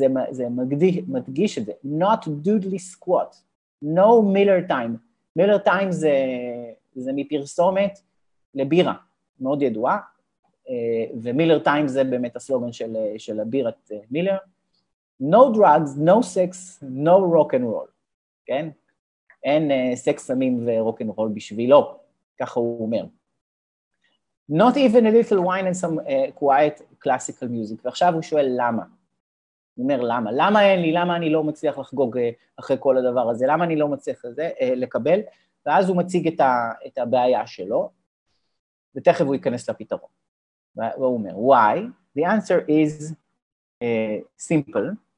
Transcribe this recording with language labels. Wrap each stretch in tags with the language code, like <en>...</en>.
<he>זה מדגיש את זה,</he> <en>not doodly squat, no miller time,</en> <he>miller time זה מפרסומת לבירה, מאוד ידועה, ומילר טיים זה באמת הסלוגן של הבירת מילר,</he> <en>no drugs, no sex, no rock and roll,</en> <he>כן? אין סקס, סמים ורוק אנד רול בשבילו, ככה הוא אומר.</he> <en>Not even a little wine and some quiet classical music.</en> <he>ועכשיו הוא שואל למה. הוא אומר למה. למה אין לי, למה אני לא מצליח לחגוג אחרי כל הדבר הזה, למה אני לא מצליח לזה, לקבל, ואז הוא מציג את הבעיה שלו, ותכף הוא ייכנס לפתרון. והוא אומר,</he> <en>why? The answer is simple.</en>